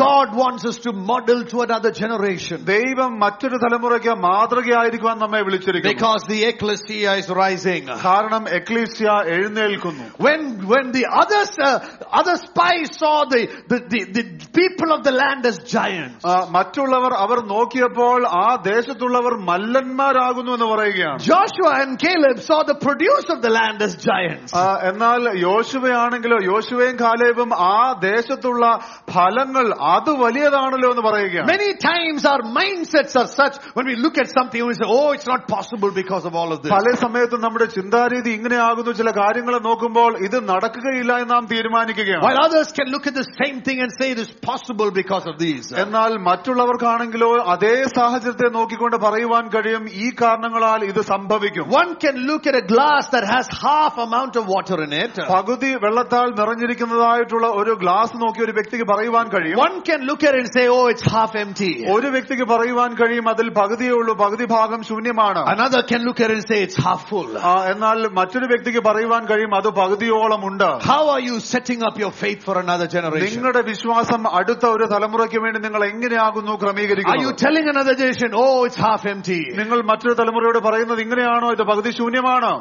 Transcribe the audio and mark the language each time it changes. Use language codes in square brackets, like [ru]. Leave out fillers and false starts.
[en] God wants us to model to another generation. [ml] ദൈവം മറ്റൊരു തലമുറയ്ക്ക് മാതൃകയായിരിക്കാൻ നമ്മെ വിളിച്ചിരിക്കുന്നു. [en] Because the ecclesia is rising. [ml] കാരണം ecclesia എഴുന്നേൽക്കുന്നു. [en] When the other spies saw the people of the land as giants. [ml] മറ്റുള്ളവർ അവർ നോക്കിയപ്പോൾ ആ ദേശത്തുള്ളവർ മല്ലന്മാരാകുന്നു എന്ന് പറയുകയാണ്. [en] Joshua and Caleb saw the produce of the land as giants. [ml] എന്നാൽ യോശുവയാണെങ്കിലോ യോശുവയും കാലേബും ആ ദേശത്തുള്ള ഫലങ്ങൾ അത് വലിയതാണല്ലോ എന്ന് പറയുകയാണ്. [en] Many times our mindsets are such when we look at something and we say, oh, it's not possible because of all of this. [ml] പല സമയത്തും നമ്മുടെ ചിന്താരീതി ഇങ്ങനെയാകുന്നു ചില കാര്യങ്ങളെ നോക്കുമ്പോൾ ഇത് നടക്കുകയില്ല എന്ന് നാം തീരുമാനിക്കുകയാണ്. [en] While others can look at the same thing and say it is possible because of these. [ml] എന്നാൽ മറ്റുള്ളവർക്കാണെങ്കിലോ അതേ സാഹചര്യത്തെ നോക്കിക്കൊണ്ട് പറയുവാൻ കഴിയും ഈ കാരണങ്ങളാൽ ഇത് സംഭവിക്കും. [en] One can look at a glass that has half amount of water in it. [ml] പകുതി വെള്ളത്താൽ നിറഞ്ഞിരിക്കുന്നതായിട്ടുള്ള ഒരു ഗ്ലാസ് നോക്കി ഒരു വ്യക്തിക്ക് പറയുവാൻ കഴിയും. [en] One can look at it and say, oh, it's half empty. [ml] ഒരു വ്യക്തിക്ക് പറയുവാൻ കഴിയും അതിൽ പകുതിയേ ഉള്ളൂ, പകുതി ഭാഗം ശൂന്യമാണ്. [en] Another can look at it and say it's half full. [ml] എന്നാൽ മറ്റൊരു വ്യക്തിക്ക് പറയുവാൻ കഴിയും അത് പകുതിയോളം ഉണ്ട്. [en] How are you setting up your faith for another generation? [ml] നിങ്ങളുടെ വിശ്വാസം അടുത്ത ഒരു തലമുറയ്ക്ക് വേണ്ടി നിങ്ങൾ എങ്ങനെയാകുന്നു ക്രമീകരിക്കുന്നത്? നിങ്ങൾ മറ്റൊരു തലമുറയോട് പറയുന്നത് ഇങ്ങനെയാണോ, ഇത് പകുതി ശൂന്യമാണ്,